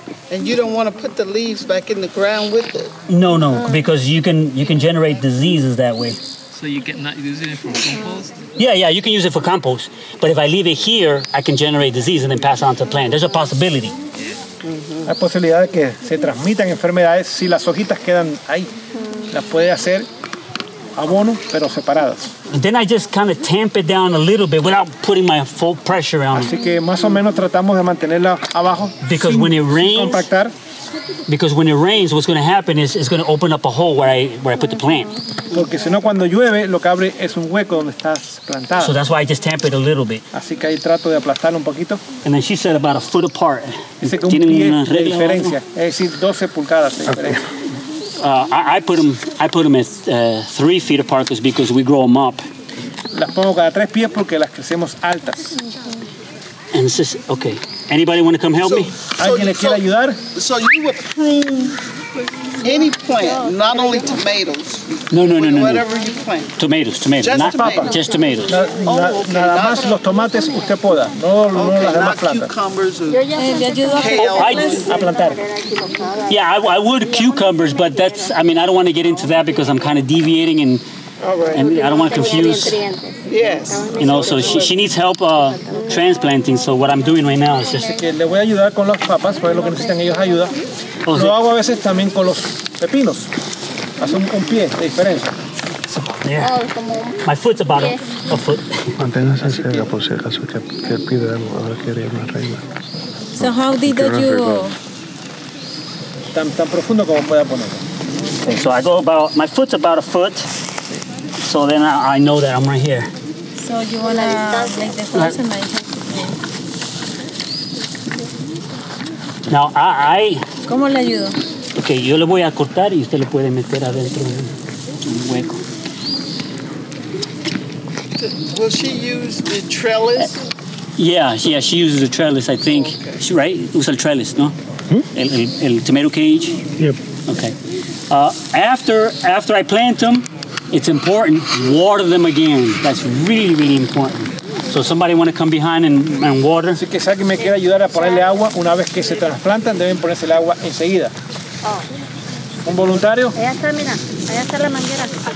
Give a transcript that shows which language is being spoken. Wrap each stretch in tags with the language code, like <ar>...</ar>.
<en>And you don't want to put the leaves back in the ground with it. No, no, because you can generate diseases that way. So you get not using it for compost? Yeah, you can use it for compost. But if I leave it here, I can generate disease and then pass on to the plant. There's a possibility.</en> <es>Hay posibilidad que se transmitan enfermedades si las hojitas quedan ahí. Las puede hacer abono, pero separadas.</es> <en>And then I just kind of tamp it down a little bit without putting my full pressure on it.</en> <es>Así que más o menos tratamos de mantenerla abajo.</es> <en>Because</en> <es>sin,</es> <en>when it rains,</en> <es>compactar.</es> <en>Because when it rains, what's going to happen is it's going to open up a hole where I put the plant.</en> <es>Porque si no, cuando llueve, lo que abre es un hueco donde estás plantada.</es> <en>So that's why I just tamp it a little bit.</en> <es>Así que ahí trato de aplastarlo un poquito.</es> <en>And then she said about a foot apart.</en> <es>Dice que un pie una de diferencia. Es decir, 12 pulgadas de diferencia.</es> <en>Okay. I put them at 3 feet apart because we grow them up.</en> <es>Las pongo cada 3 pies porque las crecemos altas.</es> <en>And this is okay. Anybody want to come help me?</en> <es>¿Alguien quiere ayudar?</es> <en>So you would prune any plant, not only tomatoes. No. Whatever you plant. Tomatoes. Just tomatoes.</en> <es>Nada más los tomates usted poda. No las demás plantas. A plantar.</es> <en>Yeah, I would cucumbers, but that's. I mean, I don't want to get into that because I'm kind of deviating and. All right. And I don't want to confuse. Yes. You know, so she needs help transplanting. So what I'm doing right now is just.</en> <es>Le voy a ayudar con las papas, porque lo que necesitan ellos ayuda. Lo hago a veces también con los pepinos. Hace un pie de diferencia.</es> <en>Yeah. My foot's about a foot.</en> <es>Manténgase cerca por si acaso que pide algo, ahora quiere ir más arriba.</es> <en>So how deep did you?</en> <es>Tan profundo como pueda poner.</es> <en>So I go about. My foot's about a foot. So then I know that I'm right here. So you wanna make this awesome? Now I.</en> <es>¿Cómo le ayudo? Okay, yo le voy a cortar y usted lo puede meter adentro en un hueco.</es> <en>Will she use the trellis? Yeah, she uses the trellis. I think. Oh, okay. She, right?</en> <es>Usa el trellis, no? El tomato cage.</es> <en>Yep. Okay. After I plant them. It's important, water them again. That's really, really important. So somebody want to come behind and water?</en> <es>Así que si alguien me quiere ayudar a ponerle agua, una vez que se trasplantan, deben ponerse el agua enseguida.</es> <en>Oh.</en> <es>¿Un voluntario? Allá está, mira. Allá está la manguera.</es>